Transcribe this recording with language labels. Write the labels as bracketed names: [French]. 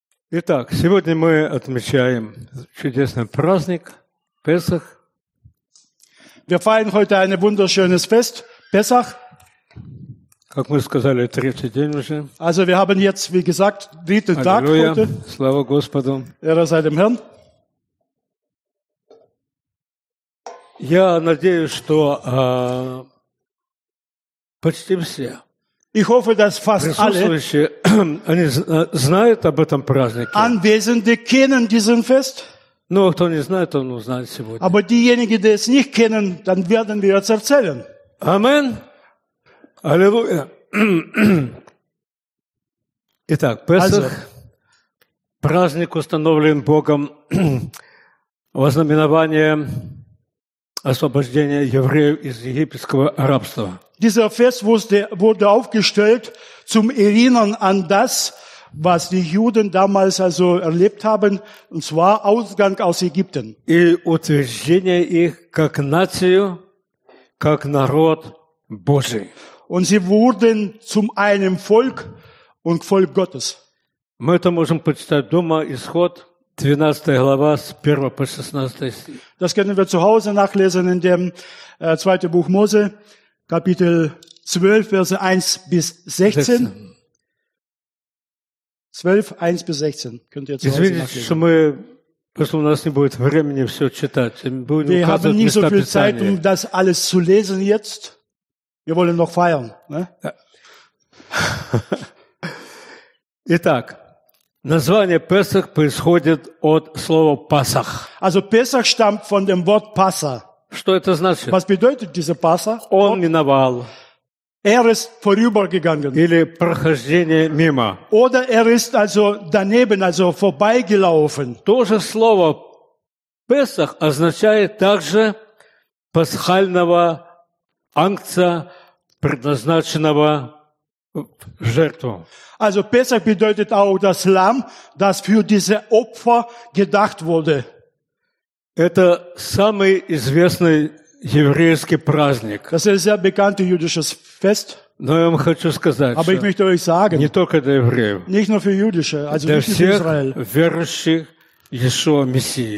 [Russian] Итак, сегодня мы отмечаем чудесный праздник Песах. [German] Wir feiern heute ein wunderschönes Fest, Pesach. [Russian] Как мы сказали, третий день уже. [German] Also wir haben jetzt, wie gesagt, dritten Tag heute. [Russian] Слава Господу. [German] Ehre sei dem Herrn. [Russian] Я надеюсь, что почти все. [German] Ich hoffe, dass fast [Russian] присутствующие, [German] alle [Russian] они знают об этом празднике. [German] Anwesende kennen diesen Fest. [Russian] Но кто не знает, он узнает сегодня. [German] Aber diejenigen, die es nicht kennen, dann werden wir es erzählen. [Russian] Amen. Аллилуйя. Итак, Песах, also, праздник установлен Богом в ознаменование освобождения евреев из египетского рабства. [German] Dieser Fest wurde aufgestellt zum Erinnern an das, was die Juden damals also erlebt haben, und zwar Ausgang aus Ägypten. [Russian] И утверждение их как нацию, как народ Божий. [German] Und sie wurden zum einem Volk und Volk Gottes. [Russian] Мы это можем почитать дома, Исход, 12 глава, с 1 по 16 стих. [German] Das können wir zu Hause nachlesen in dem zweiten Buch Mose. Kapitel 12, Verse 1 bis 16. 12, 1 bis 16. Könnt ihr jetzt [Russian] извините, что мы, просто у нас не будет времени все читать. [German] Wir haben nicht so viel [Russian] Писания. [German] Zeit, um das alles zu lesen jetzt. Wir wollen noch feiern. Ne? Ja. [Russian] Итак, название Песах происходит от слова Пасах. [German] Also Песах stammt von dem Wort Паса. [Russian] Что это значит? [German] Was bedeutet diese Passa? [Russian] Он миновал. [German] Er ist vorübergegangen. [Russian] Или прохождение мимо. [German] Oder er ist also daneben, also vorbeigelaufen. [Russian] То же слово Песах означает также пасхального ангца, предназначенного жертву. [German] Also Песах bedeutet auch das Lamm, das für diese Opfer gedacht wurde. [Russian] Это самый известный еврейский праздник. [German] Das ist sehr bekanntes jüdisches Fest. [Russian] Но я вам хочу сказать, [German] aber ich möchte euch sagen, [Russian] не только для евреев, [German] nicht nur für Jüdische, also для [Russian] всех верующих Иешуа Мессии,